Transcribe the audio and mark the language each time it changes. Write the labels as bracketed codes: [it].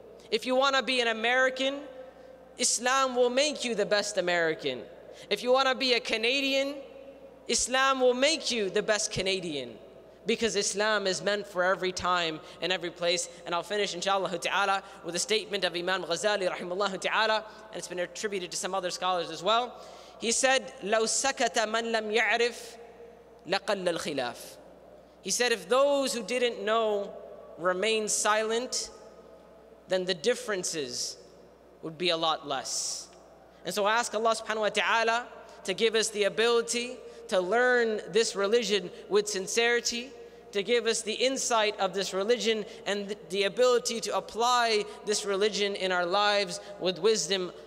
[en] If you wanna be an American, Islam will make you the best American. If you wanna be a Canadian, Islam will make you the best Canadian, because Islam is meant for every time and every place. And I'll finish, inshallah ta'ala, with a statement of Imam Ghazali, rahimahullah ta'ala, and it's been attributed to some other scholars as well. He said, [ar] لَوْ سَكَتَ مَنْ لَمْ يَعْرِفْ لَقَلَّ الْخِلَافِ. [en] He said, if those who didn't know remained silent, then the differences would be a lot less. And so I ask Allah subhanahu wa ta'ala to give us the ability to learn this religion with sincerity, to give us the insight of this religion and the ability to apply this religion in our lives with wisdom.